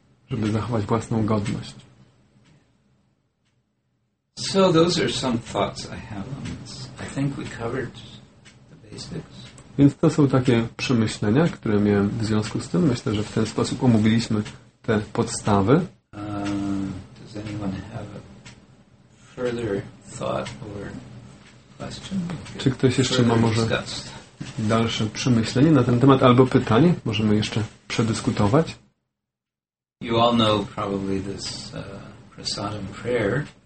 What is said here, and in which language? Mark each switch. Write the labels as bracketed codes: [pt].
[pl] Żeby zachować własną godność. [en] So those are some thoughts I have on this. I think we covered the basics. [pl] Więc to są takie przemyślenia, które miałem w związku z tym. Myślę, że w ten sposób omówiliśmy te podstawy. [en] Does anyone have a further thought or question? [pl] Czy ktoś jeszcze ma może dalsze przemyślenie na ten temat albo pytanie? Możemy jeszcze przedyskutować. [en] You all know probably this prasadam prayer.